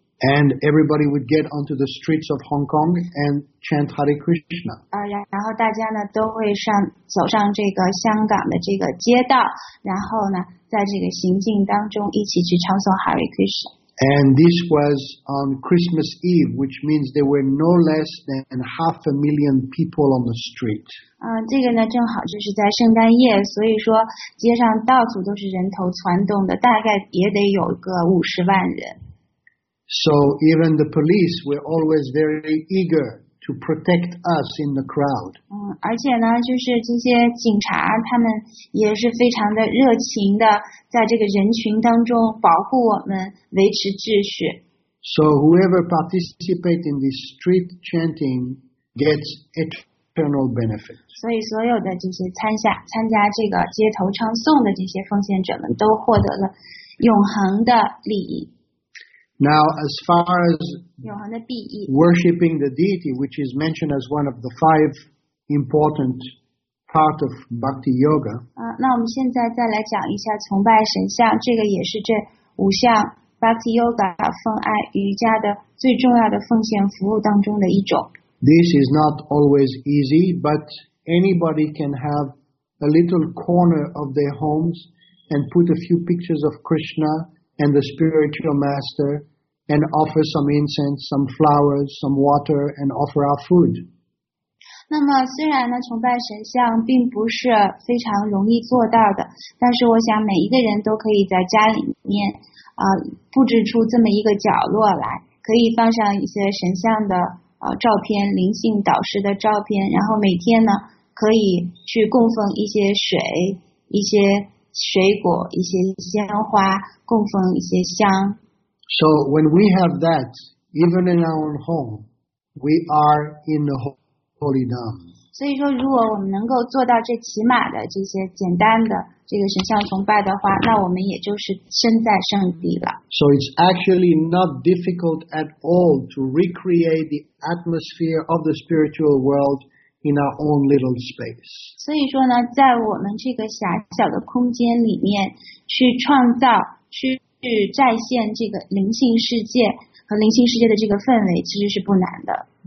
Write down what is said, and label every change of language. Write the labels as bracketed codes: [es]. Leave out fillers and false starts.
[en] And everybody would get onto the streets of Hong Kong and chant Hare Krishna. [zh] 然后大家呢都会上走上这个香港的这个街道，然后呢，在这个行进当中一起去唱诵 Hare Krishna. [en] And this was on Christmas Eve, which means there were no less than 500,000 people on the street. [zh] 这个呢正好就是在圣诞夜，所以说街上到处都是人头攒动的，大概也得有个500,000人。 [en] So even the police were always very eager to protect us in the crowd. [zh] 而且呢，就是这些警察，他们也是非常的热情的，在这个人群当中保护我们，维持秩序。 [en] So whoever participates in this street chanting gets eternal benefit. [zh] 所以所有的这些参加这个街头唱诵的这些奉献者们都获得了永恒的利益。 [en] Now, as far as worshipping the deity, which is mentioned as one of the five important parts of bhakti yoga. [zh] 那我们现在再来讲一下崇拜神像，这个也是这五项 bhakti yoga 奉爱瑜伽的最重要的奉献服务当中的一种。 [en] This is not always easy, but anybody can have a little corner of their homes and put a few pictures of Krishna. And the spiritual master, and offer some incense, some flowers, some water, and offer our food. [zh] 那么虽然呢，崇拜神像并不是非常容易做到的，但是我想每一个人都可以在家里面布置出这么一个角落来，可以放上一些神像的照片，灵性导师的照片，然后每天呢可以去供奉一些水，一些。水果一些鲜花供奉一些香。 [en] So when we have that, even in our own home, we are in the Holy Dham. [zh] 所以说，如果我们能够做到这起码的这些简单的这个神像崇拜的话，那我们也就是身在圣地了。 [en] So it's actually not difficult at all to recreate the atmosphere of the spiritual world in our own little space. [zh] 所以说呢，在我们这个狭小的空间里面去创造，去再现这个灵性世界和灵性世界的这个氛围，其实是不难的。